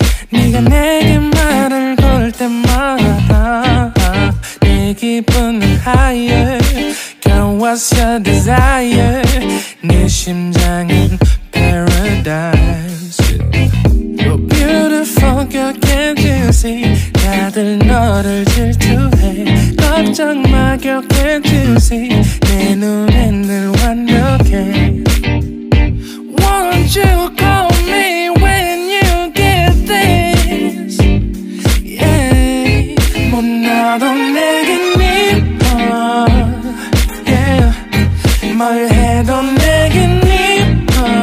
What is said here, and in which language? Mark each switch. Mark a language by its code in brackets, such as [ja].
[ko] 네가 내게 말을 걸 때마다 내 기분은 higher. [en] Girl, what's your desire? [ko] 네 심장은 [en] paradise. You're beautiful, girl, can't you see? [ko] 다들 너를 질투해. 걱정 마, [en] girl, can't you see? [ko] 내 눈엔 늘 완벽해. [en] Won't you call me when you get this? [ko] Yeah, 뭐 나도 내게 믿어. Yeah, 뭘 해도 내게 믿어.